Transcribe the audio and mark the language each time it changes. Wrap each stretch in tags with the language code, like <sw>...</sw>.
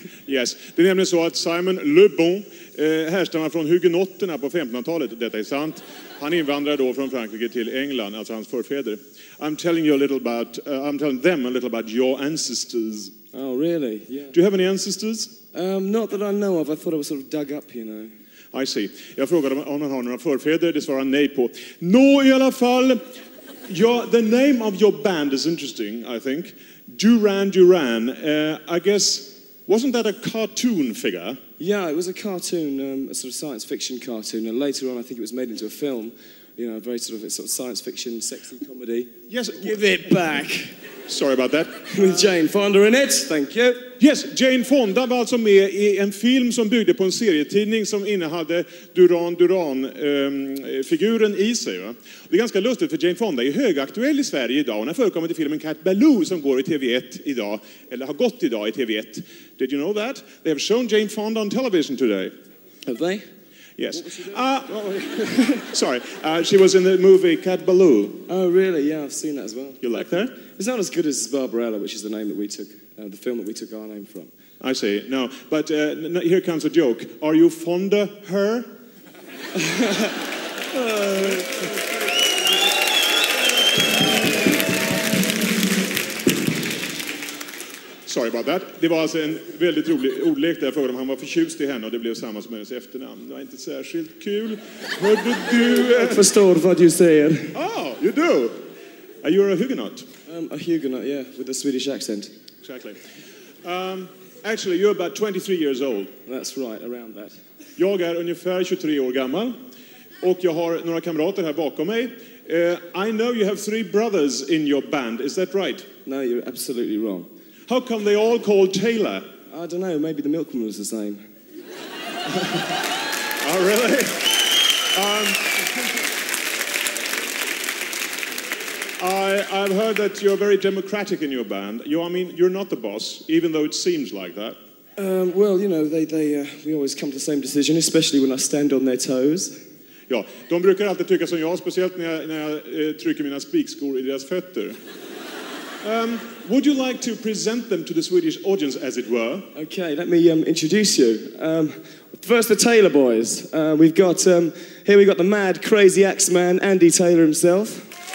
<sv>Yes, det är nämligen så att Simon Le Bon härstammar från hugenotterna på 1500-talet. Detta är sant. Han invandrade då från Frankrike till England, alltså hans förfäder.</sv> <en>I'm telling them a little about your ancestors. Oh, really? Yeah. Do you have any ancestors? Not that I know of. I thought I was sort of dug up, you know. I see.</en> <sv>Jag frågade om han har några förfäder. Det svarar nej på. Nå, i alla fall.</sv> <en>The name of your band is interesting, I think. Duran Duran. I guess, wasn't that a cartoon figure? Yeah, it was a cartoon, a sort of science fiction cartoon. And later on, I think it was made into a film. You know, a sort of science fiction, sexy comedy. Yes. Give it back. Sorry about that. With Jane Fonda in it. Thank you.</en> <sv>Yes, Jane Fonda var alltså med I en film som byggde på en serietidning som innehade Duran Duran figuren I sig. Va? Det är ganska lustigt för Jane Fonda är högaktuell I Sverige idag. Hon har förekommit I filmen Cat Ballou som går I TV1 idag. Eller har gått idag I TV1.</sv> <en>Did you know that? They have shown Jane Fonda on television today. Have they? Yes. she was in the movie Cat Ballou. Oh, really? Yeah, I've seen that as well. You like that? It's not as good as Barbarella, which is the name that we took, the film that we took our name from. I see. No, but here comes a joke. Are you fond of her? Sorry about that.</en> <sv>Det var alltså en väldigt rolig ordlek där. Jag frågade om han var förtjust I henne och det blev samma som hennes efternamn. Det var inte särskilt kul. Hörde du? Jag förstår vad du säger.</sv> <en>Oh, you do? Are you a Huguenot? A Huguenot, yeah, with a Swedish accent. Exactly. Actually, you're about 23 years old. That's right, around that.</en> <sv>Jag är ungefär 23 år gammal. Och jag har några kamrater här bakom mig.</sv> <en>I know you have three brothers in your band, is that right? No, you're absolutely wrong. How come they all called Taylor? I don't know, maybe the milkman was the same. Oh, really? I've heard that you're very democratic in your band. You're not the boss, even though it seems like that. Well, you know, we always come to the same decision, especially when I stand on their toes.</en> <sv>Ja, de brukar alltid tycka som jag, speciellt när jag trycker mina spikskor I deras fötter.</sv> <en>Would you like to present them to the Swedish audience, as it were? Okay, let me introduce you. First, the Taylor boys. We've got the mad, crazy axe man, Andy Taylor himself.</en>